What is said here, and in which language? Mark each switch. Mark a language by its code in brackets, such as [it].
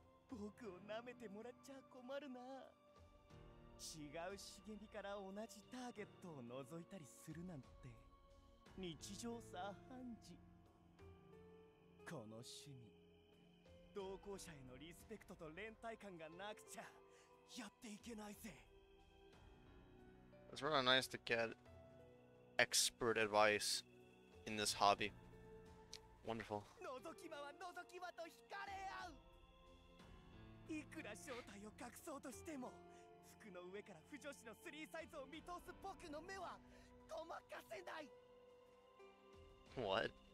[ja] 僕を舐めてもらっちゃ困るな。違う茂みから同じターゲットを覗いたりするなんて日常茶飯事。この趣味、同行者へのリスペクトと連帯感がなくちゃやっていけないぜ。 [en] It's really nice to get expert advice in this hobby. Wonderful. [ja] 覗き間は覗き間と惹かれ合う。いくら正体を隠そうとしても服の上から腐女子の3サイズを見通す僕の目はごまかせない。 [en] What?